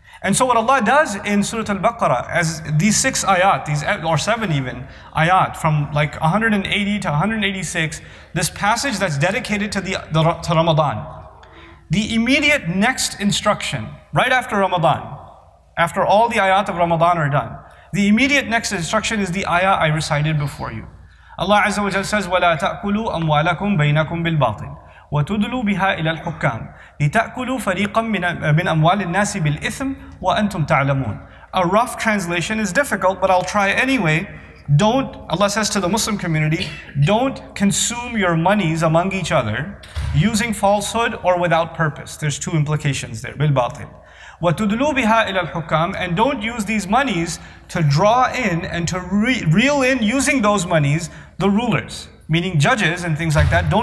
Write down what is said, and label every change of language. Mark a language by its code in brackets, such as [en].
[en] And so what Allah does in Surah Al-Baqarah, as these six ayat, these or seven even, ayat, from like 180 to 186, this passage that's dedicated to Ramadan, the immediate next instruction, right after Ramadan, after all the ayat of Ramadan are done, the immediate next instruction is the ayah I recited before you. [ar] Allah Azza wa Jalla says, وَلَا تَأْكُلُوا أَمْوَالَكُمْ بَيْنَكُمْ بِالْبَاطِلِ وَتُدْلُوا بِهَا إِلَى الْحُكَّامِ لِتَأْكُلُوا فَرِيقًا مِنْ أَمْوَالِ النَّاسِ بِالْإِثْمِ وَأَنْتُمْ تَعْلَمُونَ. [en] A rough translation is difficult, but I'll try anyway. Don't, Allah says to the Muslim community, don't consume your monies among each other using falsehood or without purpose. There's two implications there. Bil batil. [ar] وَتُدْلُوا بِهَا إِلَى الْحُكَّامِ. [en] And don't use these monies to draw in and to reel in using those monies the rulers, meaning judges and things like that.